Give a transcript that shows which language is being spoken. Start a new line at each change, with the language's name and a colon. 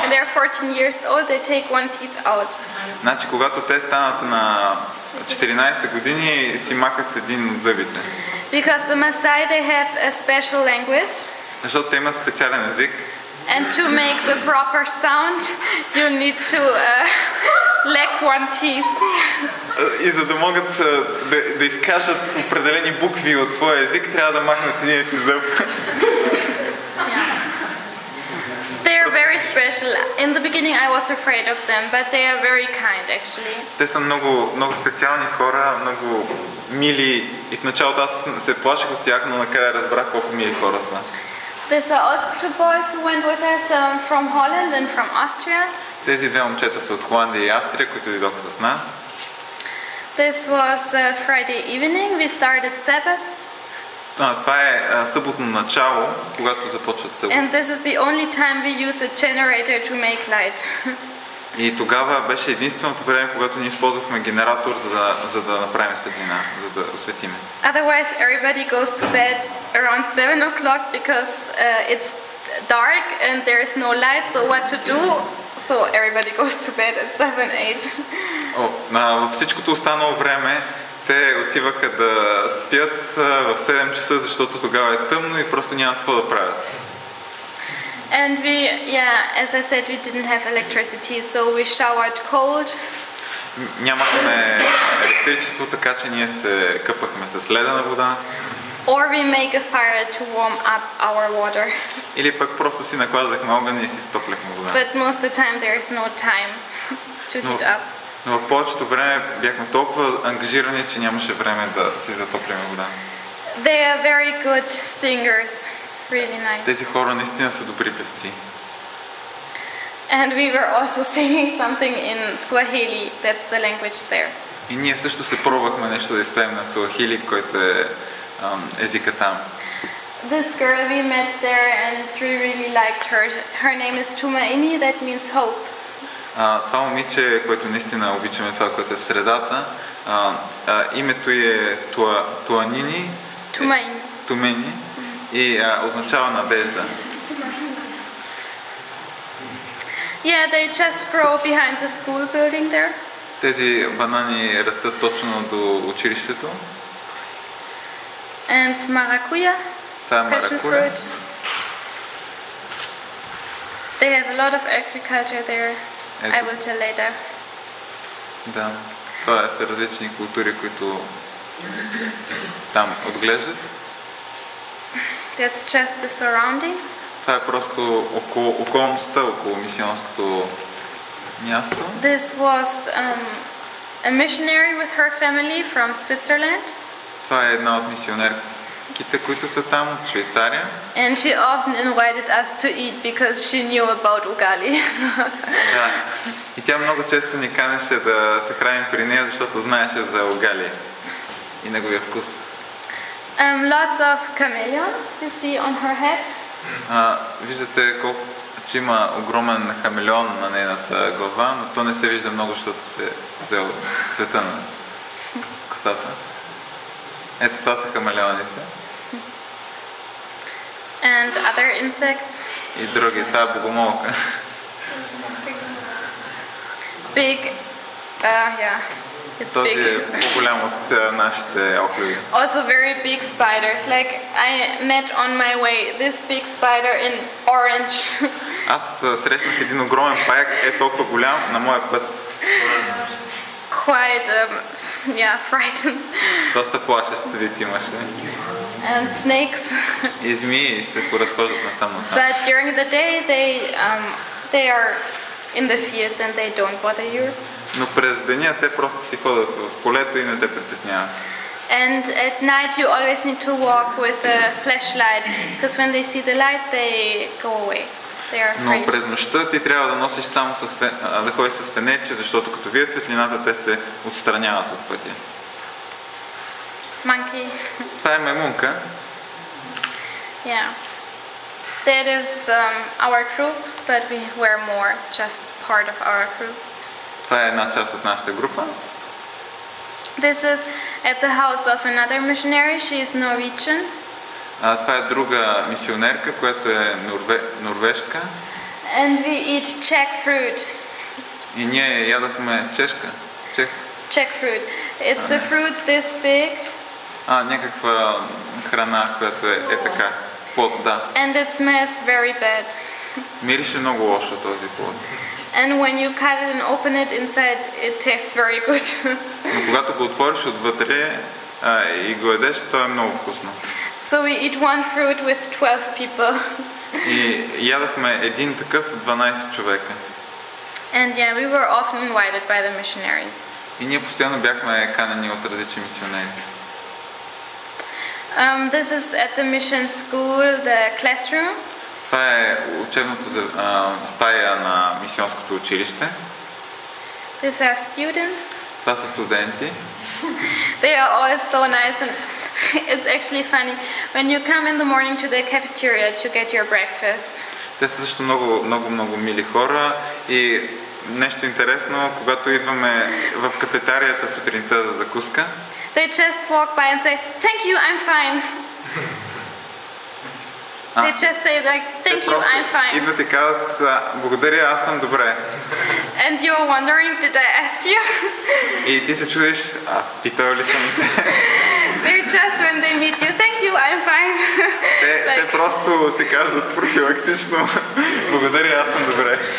English: When they are 14 years old, they take one teeth out.
Bulgarian: Значи когато те станат на 14 години, си махат един от зъбите.
English: Because the Maasai, they have a special language.
Bulgarian: Защото те имат специален език.
English: And to make the proper sound, you need to lack one teeth.
Bulgarian: И за да могат да изкажат определени букви от своя език, трябва да махнат един си зъб.
English: They are very special. In the beginning I was afraid of them, but they are very kind actually.
Bulgarian: Те са много, много специални хора, много мили. И в началото аз се плаших от тях, но накрая разбрах колко мили хора са.
English: These are also 2 boys who went with us from Holland and from Austria.
Bulgarian: Тези две момчета са от Холандия и Австрия, които дойдоха с нас.
English: This was Friday evening. We started Sabbath.
Bulgarian: Това е съботно начало, когато започват събота.
English: And this is the only time we use a generator to make light.
Bulgarian: И тогава беше единственото време, когато ние използвахме генератор, за да направим светлина, за да осветим.
English: Otherwise everybody goes to bed around 7 o'clock because it's dark and there is no light, so what to do? So everybody goes to bed at 7-8.
Bulgarian: О, всичкото останало време те отиваха да спят в 7 часа, защото тогава е тъмно и просто нямат какво да правят.
English: And we, yeah, as I said, we didn't have electricity, so we showered cold.
Bulgarian: Нямахме електричество, така че ние се къпахме с ледена вода.
English: Or we make a fire to warm up our water.
Bulgarian: Или пък просто си наклаждахме огън и си стопляхме вода.
English: But most of the time there is no time to heat up.
Bulgarian: Но в повечето време бяхме толкова ангажирани, че нямаше време да си затоплим вода.
English: They are very good singers. really nice.
Bulgarian: Тези хора наистина са добри певци.
English: And we were also singing something in Swahili. That's the language there.
Bulgarian: И ние също се пробвахме нещо да изпеем на суахили, който е езика там.
English: This girl we met there and we really liked her. Her name is Tumaini, that means hope.
Bulgarian: Това момиче, което наистина обичаме, това, което е в средата, името е Туанини. Тумайни. Тумени. И означава надежда.
English: Yeah, they just grow behind the school building there.
Bulgarian: Тези банани растат точно до училището.
English: And маракуя.
Bulgarian: Това е маракуя.
English: They have a lot of agriculture there.
Bulgarian: Ето.
English: I will tell later.
Bulgarian: Да. Това са различни култури, които там отглеждат.
English: That's just the surrounding.
Bulgarian: Това е просто околността, около мисионското място.
English: This was a missionary with her family from Switzerland.
Bulgarian: Това е една от мисионерките, които са там от Швейцария.
English: And she often invited us to eat because she knew about Ugali.
Bulgarian: Да. И тя много често ни канеше да се храним при нея, защото знаеше за Ugali и неговия вкус.
English: Lots of chameleons you see on her head.
Bulgarian: Виждате колко, че има огромен хамелеон на нейната глава, но то не се вижда много, защото се взел цвета на косата. Ето това са хамелеоните.
English: And other insects.
Bulgarian: И други, това е богомолка.
English: Big, yeah, it's big.
Bulgarian: Този е по-голям от нашите охлюви.
English: Also very big spiders, like I met on my way this big spider in orange.
Bulgarian: Аз срещнах един огромен паяк, е толкова голям на моя път.
English: Quite, yeah, frightened.
Bulgarian: Доста плашещ вид имаше.
English: And snakes.
Bulgarian: И змии се поразхождат насам на
English: But during the day they are in the fields and they don't bother you.
Bulgarian: Но през деня те просто си ходят в полето и не те притесняват.
English: And at night you always need to walk with a flashlight because when they see the light they go away. They are afraid.
Bulgarian: Но през нощта ти трябва да носиш само да ходиш с фенерче, защото като видят светлината те се отстраняват от пътя.
English: Monkey.
Bulgarian: Това е маймунка.
English: Yeah. That is our group, but we were more just part of our group.
Bulgarian: Това е една част от нашата група.
English: This is at the house of another missionary. She is Norwegian.
Bulgarian: Това е друга мисионерка, която е норвежка.
English: And we eat Czech fruit.
Bulgarian: И ние ядохме чешка.
English: Czech fruit. It's a fruit this big.
Bulgarian: Някаква храна, която е така. Плод, да.
English: And it smells very bad.
Bulgarian: Мирише много лошо този плод.
English: And when you cut it and open it inside, it tastes very good.
Bulgarian: Но когато го отвориш отвътре и го едеш, то е много вкусно.
English: So we eat one fruit with 12 people.
Bulgarian: И ядохме един такъв 12 човека.
English: And yeah, we were often invited by the missionaries.
Bulgarian: И ние постоянно бяхме канени от различни мисионери.
English: This is at the mission school, the classroom.
Bulgarian: Това е учебната стая на мисионското училище.
English: These are students.
Bulgarian: Това са студенти.
English: They are all so nice and it's actually funny. When you come in the morning to the cafeteria to get your breakfast.
Bulgarian: Те са също много, много, много мили хора и нещо интересно, когато идваме в кафетарията сутринта за закуска.
English: They just walk by and say, "Thank you, I'm fine." They just say like, "Thank you, I'm fine."
Bulgarian: Идват и казват, "Благодаря, аз съм добре."
English: And you're wondering, "Did I ask you?"
Bulgarian: И ти се чудиш, аз питал ли съм те?
English: They just when they meet you, "Thank you, I'm fine."
Bulgarian: Те просто си казват профилактично, "Благодаря, аз съм добре."